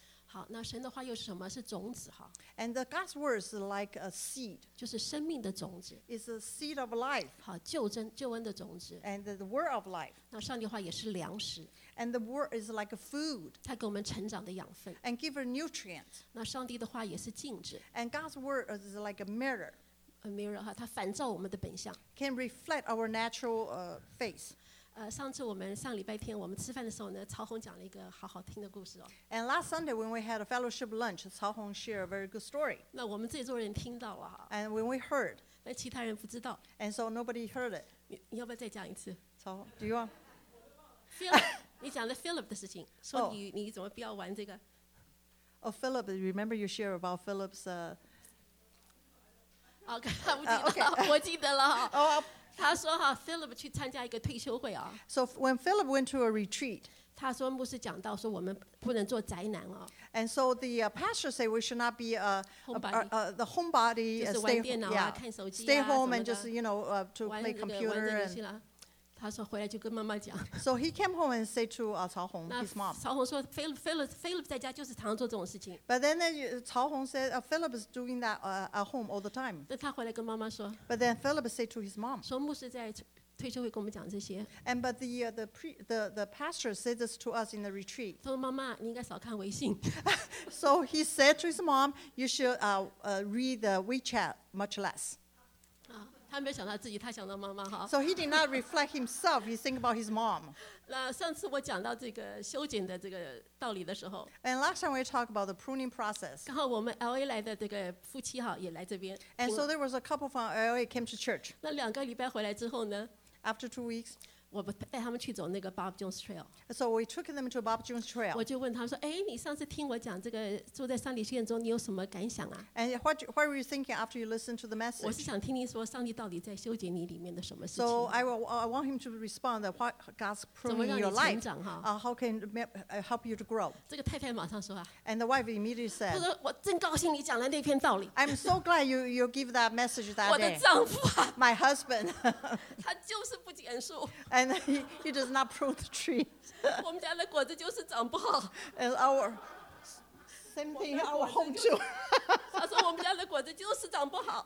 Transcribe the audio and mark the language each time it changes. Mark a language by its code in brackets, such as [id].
[zh] 好，那神的话又是什么？是种子哈。 [en] And the God's word is like a seed. [zh] 就是生命的种子。 [en] It's a seed of life. [zh] 好，救恩的种子。 [en] And the word of life. [zh] 那上帝话也是粮食。 [en] And the word is like a food. [zh] 它给我们成长的养分。 [en] And give a nutrient. [zh] 那上帝的话也是镜子。 [en] And God's word is like a mirror. A mirror [zh] 哈，它反照我们的本相。 [en] Can reflect our natural face. [zh] 上次我们上礼拜天我们吃饭的时候呢，曹宏讲了一个好好听的故事哦。 [en] And last Sunday when we had a fellowship lunch, 曹宏 shared a very good story. [zh] 那我们这座人听到了哈。 [en] And when we heard. [zh] 那其他人不知道。 [en] And so nobody heard it. [zh] 你要不要再讲一次？ [en] 曹宏 ，Do you want? [zh] Philip, 你讲了 Philip 的事情，说你怎么不要玩这个 [en] ？Oh, Philip, remember you share about Philip's [zh] okay. 我记得了。他说哈 ，Philip 去参加一个退休会啊。 [en] So when Philip went to a retreat, [zh] 他说牧师讲到说我们不能做宅男啊。 [en] And so the pastor said we should not be the homebody, [zh] 就是玩电脑啊，看手机啊， [en] stay home and just you know to play computer and [zh] 他说回来就跟妈妈讲。 [en] So he came home and said to Cao Hong, his mom. [zh] 曹红说 Philip 在家就是常做这种事情。 [en] But then Cao Hong said Philip is doing that at home all the time. [zh] 那他回来跟妈妈说。 [en] But then Philip said to his mom. [zh] 说牧师在退休会跟我们讲这些。 [en] And but the pastor said this to us in the retreat. [zh] 他说妈妈，你应该少看微信。 [en] So he said to his mom, you should read the WeChat much less. [zh] 他没想到自己，他想到妈妈哈。 [en] So he did not reflect himself. He think about his mom. [zh] 那上次我讲到这个修剪的这个道理的时候 [en] ，And last time we talked about the pruning process. [zh] 刚好我们 LA 来的这个夫妻哈也来这边。 [en] And so there was a couple from LA came to church. [zh] 那两个礼拜回来之后呢 [en] ？After 2 weeks, [zh] 我带他们去走那个 Bob Jones Trail. [en] So we took them to Bob Jones Trail. [zh] 我就问他们说：“哎，你上次听我讲这个住在上帝实验中，你有什么感想啊？” [en] And what were you thinking after you listened to the message? [zh] 我是想听听说上帝到底在修剪你里面的什么事情。 [en] So I want him to respond that what God's pruning your life. [zh] 怎么让你成长哈？ [en] How can help you to grow? [zh] 这个太太马上说啊。 [en] And the wife immediately said. [zh] 她说：“我真高兴你讲了那篇道理。 [en] ”I'm so glad you give that message that day. [zh] 我的丈夫啊。 [en] My husband. [zh] 他就是不减数。 [en] And he does not prune the tree. [zh] 我们家的果子就是长不好。 [en] And our same thing, our home too. [zh] 他说我们家的果子就是长不好。